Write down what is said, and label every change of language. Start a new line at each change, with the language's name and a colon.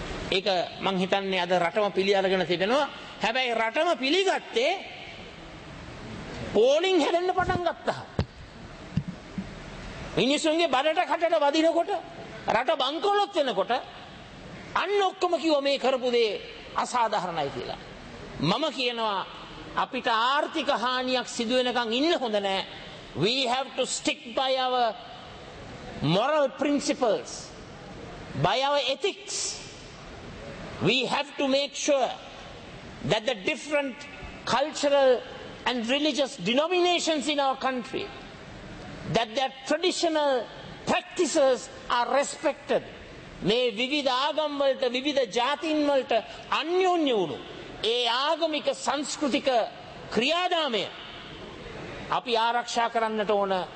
Sinhala: ඒක මං හිතන්නේ අද රටම පිළිඅරගෙන තිබෙනවා. හැබැයි රටම පිළිගත්තේ පෝලිං හැදෙන්න පටන් ගත්තා. මිනිසුන්ගේ බඩට කටට වදිනකොට, රට බංකොලොත් වෙනකොට අන්න ඔක්කොම කිව්ව මේ කරපු දේ අසාධාරණයි කියලා. මම කියනවා අපිට ආර්ථික හානියක් සිදු වෙනකන් ඉන්න හොඳ නෑ.
English: We have to stick by our moral principles, by our ethics. We have to make sure that the different cultural and religious denominations in our country, that their traditional practices are respected.
Sinhala: මේ විවිධ ආගම් වලට, විවිධ ජාතීන් වලට අන්‍යෝන්‍ය වුණු ඒ ආගමික සංස්කෘතික ක්‍රියාදාමය අපි ආරක්ෂා කරන්නට ඕන.